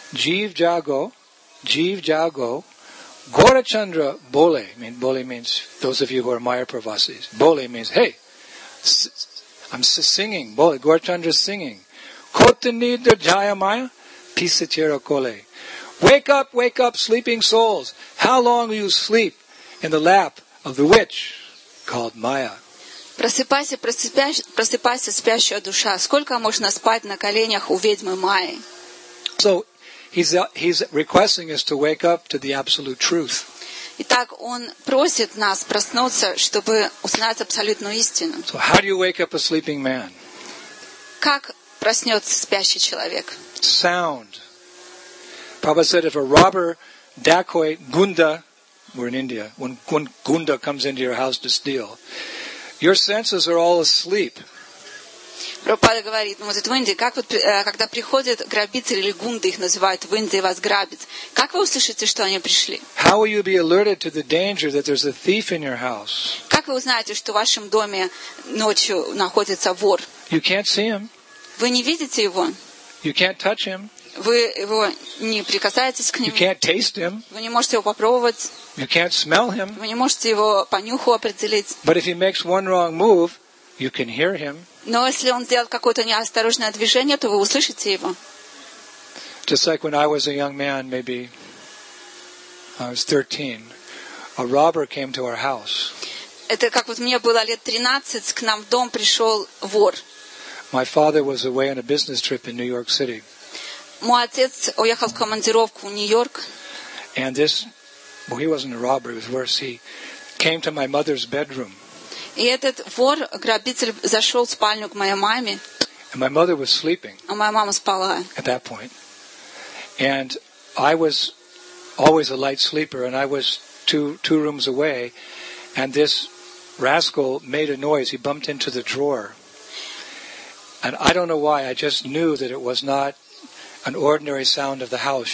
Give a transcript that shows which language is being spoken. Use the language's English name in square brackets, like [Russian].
[Bangla] Jeev jago, jeev jago, Gorachandra bole. [English] Bole means those of you who are Maya Pravasis. Bole means hey, I'm singing. [Bangla] Bole, Gorachandra [English] singing. [Bangla] Kotanidra jaya Maya, pisachira kole. [English] Wake up, sleeping souls. How long will you sleep in the lap of the witch called Maya? [Russian] Просыпайся, просыпайся, спящая душа. Сколько можно спать на коленях у ведьмы Майи? [English] So he's requesting us to wake up to the absolute truth. [Russian] Итак, он просит нас проснуться, чтобы узнать абсолютную истину. [English] So how do you wake up a sleeping man? [Russian] Как проснется спящий человек? [English] Sound. Prabhupada said if a robber, dacoit, gunda, we're in India, when gunda comes into your house to steal, your senses are all asleep. [Russian] Прабхупада говорит, может, в Индии, как вот, когда приходят грабители или гунды, их называют в Индии, вас грабят, как вы услышите, что они пришли? [English] How will you be alerted to the danger that there's a thief in your house? [Russian] Как вы узнаете, что в вашем доме ночью находится вор? [English] You can't see him. [Russian] Вы не видите его? [English] You can't touch him. [Russian] Вы его не прикасаетесь к нему. [English] You can't taste him. [Russian] Вы не можете его попробовать. [English] You can't smell him. [Russian] Вы не можете его по нюху определить. [English] But if he makes one wrong move, you can hear him. [Russian] Но если он сделает какое-то неосторожное движение, то вы услышите его. [English] Just like when I was a young man, maybe I was 13, a robber came to our house. [Russian] Это как вот мне было лет 13, к нам в дом пришел вор. [English] My father was away on a business trip in New York City. [Russian] Мой отец уехал в командировку в Нью-Йорк. [English] And this, well, he wasn't a robber, it was worse. He came to my mother's bedroom. [Russian] И этот вор, грабитель, зашел в спальню к моей маме. [English] And my mother was sleeping. [Russian] А моя мама спала. [English] At that point. And I was always a light sleeper, and I was two rooms away, and this rascal made a noise. He bumped into the drawer. And I don't know why, I just knew that it was not an ordinary sound of the house.